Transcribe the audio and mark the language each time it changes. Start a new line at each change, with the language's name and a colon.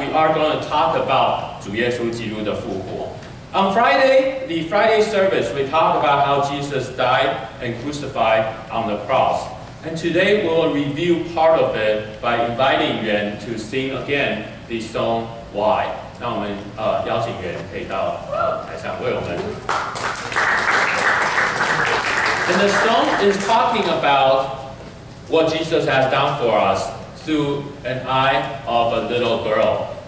English: We are going to talk about
Chinese: 主耶稣基督的复活.
English: On Friday, the Friday service, we talk about how Jesus died and crucified on the cross. And today we'll review part of it by inviting Yuan to sing again the song Why.
Chinese: 那我们邀请袁可以到台上为我们.
English: And the song is talking about what Jesus has done for us through an eye of a little girl.